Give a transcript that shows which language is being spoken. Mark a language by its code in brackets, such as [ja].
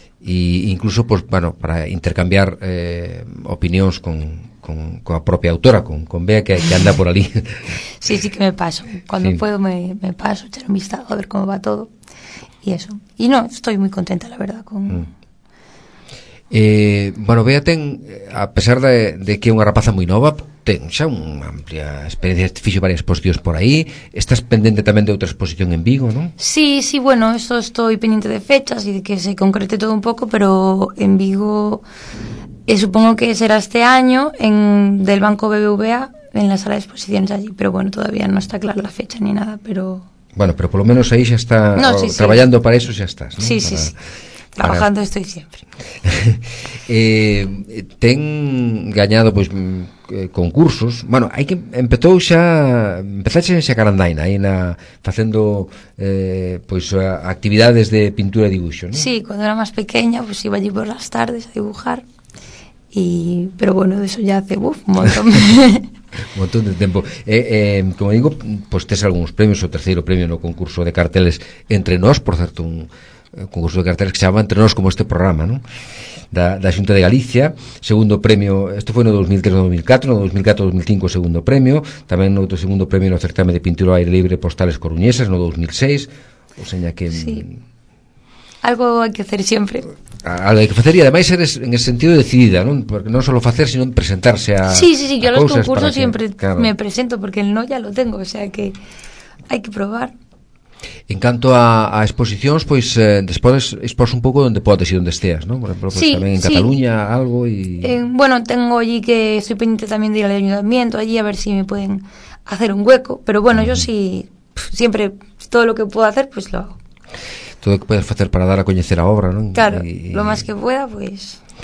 [es] Y incluso, pues bueno, para intercambiar opiniones con la propia autora, con Bea, que anda por allí. Sí, sí que me paso. Cuando sí. puedo me paso, echar un vistazo, a ver cómo va todo y eso. Y no, estoy muy contenta, la verdad, con... [gl] Bueno, Bea ten, a pesar de que é unha rapaza moi nova, ten xa unha amplia experiencia, fixo varias exposicións por aí. Estás pendente tamén de outra exposición en Vigo, non? [es] Sí, sí, bueno, [gl] eso estou pendente de fechas e de que se concrete todo un pouco, [es] pero en Vigo, supongo que será este año, en del Banco BBVA, en la sala de exposiciones allí, pero bueno, todavía non está clara la fecha ni nada, pero... [gl] Bueno, [es] pero por lo menos [gl] aí xa está, [es] no, sí, sí, [gl] traballando [es] sí. [gl] para eso xa estás, non? [es] Sí, para... sí, sí. Trabajando para... estoy siempre. [gl] Ten gañado pois concursos. Bueno, hai que empezou xa, empezaste xa carandaina aí na facendo pois actividades de pintura e dibuixo, ¿no? [es] Sí, [gl] cando era máis pequena, [es] pois pues, iba allí por as tardes a dibujar. Pero bueno, de eso ya hace uf, un montón. [gl] Un montón de tempo. Como digo, pues tes algúns premios, o terceiro premio no concurso de carteles entre nós, por certo, un concurso de carteles [es] que se llama [gl] Entre Nos, como este programa, ¿no? Da Xunta de Galicia. [es] Segundo premio, esto fue en 2003-2004, no 2004-2005 segundo premio. También otro segundo premio en el certame de pintura aire libre postales coruñesas, no 2006. O sea, que... Sí. Algo hay que hacer siempre. Algo hay que hacer y además eres en el sentido decidida, ¿no? Porque no solo hacer, sino presentarse a... Sí, sí, sí, yo a los concursos siempre que, claro. me presento porque el no ya lo tengo, o sea que hay que probar. [gl] En canto a exposicións, pois despois expós un pouco onde podes e onde esteas, ¿no? Por exemplo, pois, sí, tamén en Cataluña, sí. [es] algo y... Bueno, tengo allí que estoy pendiente tamén de ir al ayuntamiento allí a ver si me pueden hacer un hueco, pero bueno, yo sí, siempre todo lo que puedo hacer, pues lo hago. Todo lo que puedes hacer para dar a conocer a obra, ¿no? Claro, lo más que pueda, pues...